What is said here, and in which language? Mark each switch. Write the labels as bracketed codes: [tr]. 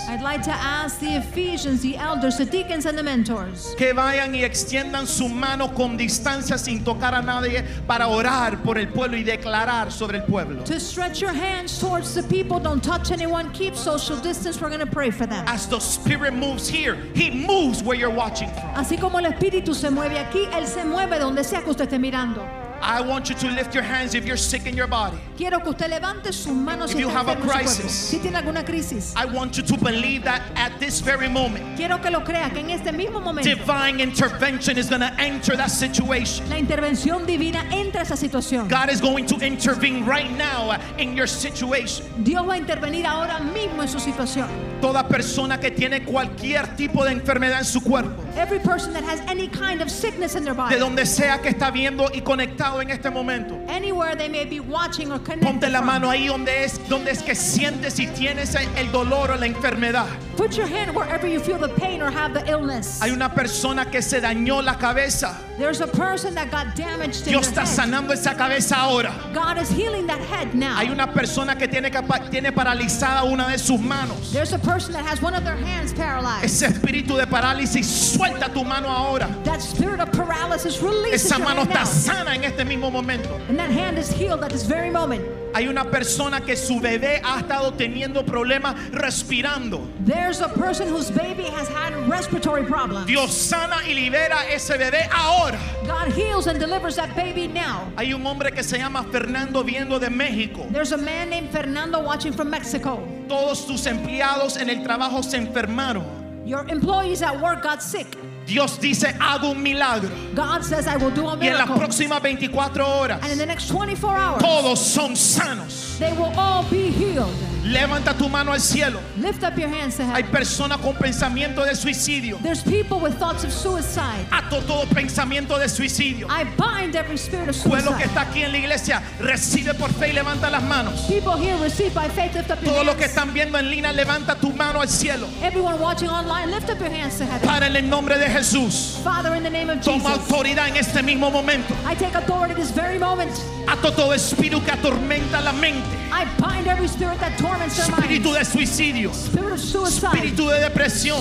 [en] I'd like to ask the Ephesians, the elders, the deacons and the mentors. [es] Que vayan y extiendan su mano con distancia sin tocar a nadie para orar por el pueblo y declarar sobre el pueblo. [en] To stretch your hands towards the people. Don't touch anyone. Keep social distance. We're going to pray for them. As the Spirit moves here, He moves where you're watching from. [es] Así como el Espíritu se mueve aquí, Él se mueve donde sea que usted esté mirando. [en] I want you to lift your hands if you're sick in your body. [es] Quiero que usted levante sus manos [en] if you have a crisis, [es] si tiene alguna crisis. [en] I want you to believe that at this very moment. [es] Quiero que lo crea, que en este mismo momento, [en] divine intervention is going to enter that situation. [es] La intervención divina entra esa situación. [en] God is going to intervene right now in your situation. [es] Dios va a intervenir ahora mismo en su situación. Toda persona que tiene cualquier tipo de enfermedad en su cuerpo. [en] Every person that has any kind of sickness in their body. [es] De donde sea que está viendo y conectado en este momento. [en] Anywhere they may be watching or connected. [es] Ponte la mano ahí donde es que sientes y tienes el dolor o la enfermedad. [en] Put your hand wherever you feel the pain or have the illness. [es] Hay una persona que se dañó la cabeza. [en] There's a person that got damaged. [es] Dios está sanando esa cabeza ahora. [en] God is healing that head now. [es] Hay una persona que tiene paralizada una de sus manos. [en] There's a person that has one of their hands paralyzed. [es] Ese espíritu de parálisis, suelta tu mano ahora. [en] That spirit of paralysis, release [es] esa mano [en] your hand [es] está sana en este mismo momento. [en] And that hand is healed at this very moment. [es] Hay una persona que su bebé ha estado teniendo problemas respirando. [en] There's a person whose baby has had respiratory problems. [es] Dios sana y libera ese bebé ahora. [en] God heals and delivers that baby now. [es] Hay un hombre que se llama Fernando viendo de México. [en] There's a man named Fernando watching from Mexico. [es] Todos sus empleados en el trabajo se enfermaron. [en] Your employees at work got sick. [es] Dios dice, hago un milagro. [en] God says, I will do a miracle. [es] Y en las próximas 24 horas, [en] and in the next 24 hours, [es] todos son sanos. [en] They will all be healed. [es] Levanta tu mano al cielo. [en] Lift up your hands to heaven. [es] Hay personas con pensamiento de suicidio. [en] There's people with thoughts of suicide. [es] Ato todo pensamiento de suicidio. [en] I bind every spirit of suicide. [es] Pueblo que está aquí en la iglesia, recibe por fe y levanta las manos. [en] People here, receive by faith, lift up your hands. [es] Todos los que están viendo en línea, levanta tu mano al cielo. [en] Everyone watching online, lift up your hands to heaven. [es] Padre, en el nombre de Jesús. [en] Father, in the name of Jesus. [es] Toma autoridad en este mismo momento. [en] I take authority this very moment. [es] Ato todo espíritu que atormenta la mente. [en] I bind every spirit that torments their [es] espíritu [en] minds. [es] De suicidio. [en] Spirit of suicide. [es] Espíritu de depresión.